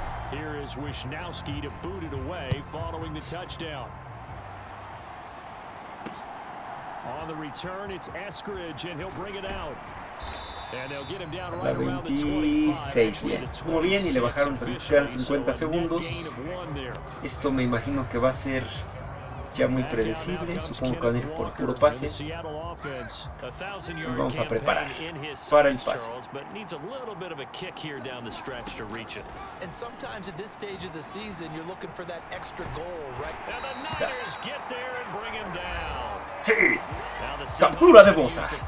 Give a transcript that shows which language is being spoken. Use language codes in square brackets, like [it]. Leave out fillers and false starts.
[en] Here is Wisnowski to boot it away following the touchdown. On the return, it's Eskridge, and he'll bring it out. And they'll get him down right around the 26. [es] Bien. Estuvo bien y le bajaron 50 segundos. Esto me imagino que va a ser ya muy predecible. Supongo que van a ir por puro pase. Nos vamos a preparar para el pase. [en] But needs a little bit of a kick here down the stretch to reach it. And sometimes at this stage of the season, you're looking for that extra goal, right? And the Niners get there and bring him down. [es] Sí. Captura de Bosa.